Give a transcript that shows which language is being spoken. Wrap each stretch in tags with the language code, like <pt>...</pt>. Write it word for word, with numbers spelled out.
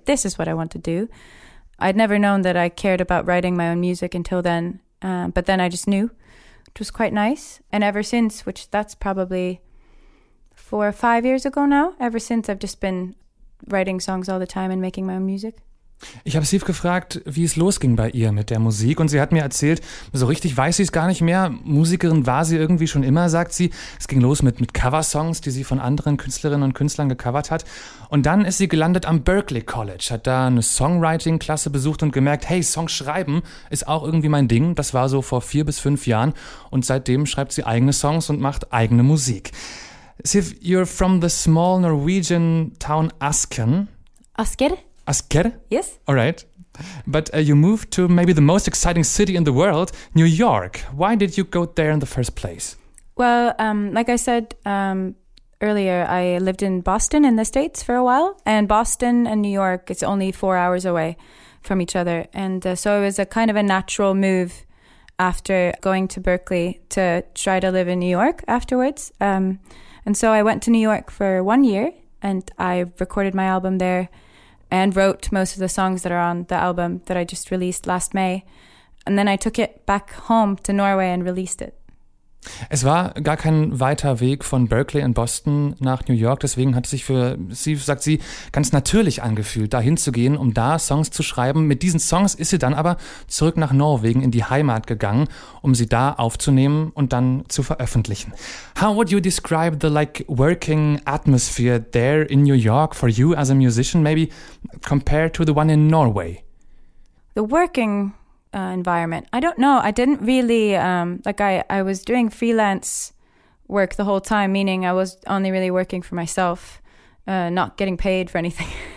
<en>This is what I want to do. I'd never known that I cared about writing my own music until then. Uh, but then I just knew, which was quite nice. And ever since, which that's probably... Four or five years ago now. Ever since, I've just been writing songs all the time and making my own music.</en> <de>Ich habe Sif gefragt, wie es losging bei ihr mit der Musik, und sie hat mir erzählt, so richtig weiß sie es gar nicht mehr. Musikerin war sie irgendwie schon immer, sagt sie. Es ging los mit, mit Coversongs, die sie von anderen Künstlerinnen und Künstlern gecovert hat. Und dann ist sie gelandet am Berklee College, hat da eine Songwriting-Klasse besucht und gemerkt, hey, Songs schreiben ist auch irgendwie mein Ding. Das war so vor vier bis fünf Jahren, und seitdem schreibt sie eigene Songs und macht eigene Musik.</de> <en>Sif, you're from the small Norwegian town Asken. Asker? Asker? Yes. All right. But uh, you moved to maybe the most exciting city in the world, New York. Why did you go there in the first place? Well, um, like I said um, earlier, I lived in Boston in the States for a while. And Boston and New York, it's only four hours away from each other. And uh, so it was a kind of a natural move after going to Berkeley to try to live in New York afterwards. Um And so I went to New York for one year, and I recorded my album there and wrote most of the songs that are on the album that I just released last May. And then I took it back home to Norway and released it.</en> <de>Es war gar kein weiter Weg von Berkeley in Boston nach New York, deswegen hat es sich für sie, sagt sie, ganz natürlich angefühlt, da hinzugehen, um da Songs zu schreiben. Mit diesen Songs ist sie dann aber zurück nach Norwegen in die Heimat gegangen, um sie da aufzunehmen und dann zu veröffentlichen.</de> <en>How would you describe the like working atmosphere there in New York for you as a musician, maybe compared to the one in Norway? The working Uh, environment. I don't know. I didn't really, um, like I, I was doing freelance work the whole time, meaning I was only really working for myself, uh, not getting paid for anything.</en>